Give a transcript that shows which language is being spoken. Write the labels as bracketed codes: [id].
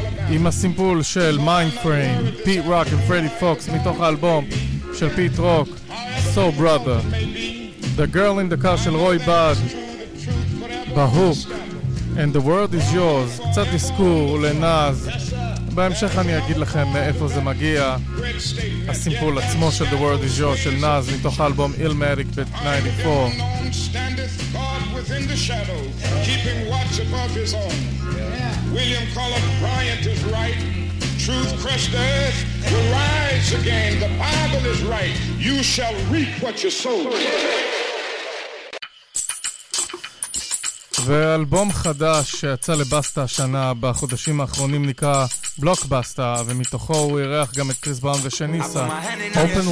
[he] עם הסימפול של מיינדפריים, פיט רוק ופרדי פוקס מתוך האלבום של פיט רוק, So Brother. The Girl in the Car של רוי בד, בהוק, And the World is Yours, קצת נזכור לנאז. בהמשך אני אגיד לכם מאיפה זה מגיע, הסימפול עצמו של The World is Yours של נאז מתוך האלבום Illmatic ב-94. [en] In the shadows, keeping watch above his own. Yeah. William Cullen Bryant is right. Truth crushed the earth will rise again. The Bible is right. You shall reap what you sow. [he] ואלבום חדש שיצא לבסטה השנה בחודשים האחרונים נקרא בלוקבסטה ומתוכו הוא ירח גם את קריס בראון ושניסה Open